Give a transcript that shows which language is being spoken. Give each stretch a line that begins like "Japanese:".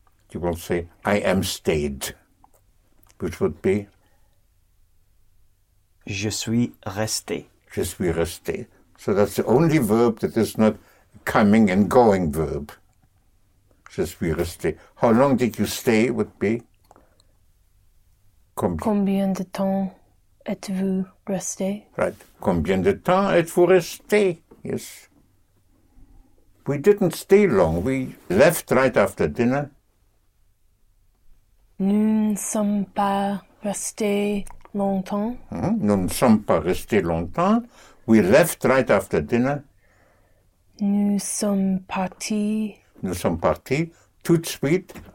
English: You will say, I am stayed, which would be,
French: je suis resté. Je suis resté.
English: So that's the only verb that is not coming and going verb.
French: Je suis resté.
English: How long did you stay would be?
French: Combien de temps êtes-vous resté?
English: Right.
French: Combien de temps êtes-vous resté?
English: Yes. We didn't stay long. We left right after dinner.
French: Nous ne sommes pas restés longtemps. Nous ne sommes pas restés longtemps.
English: We left right after dinner.
French: Nous sommes partis tout de suite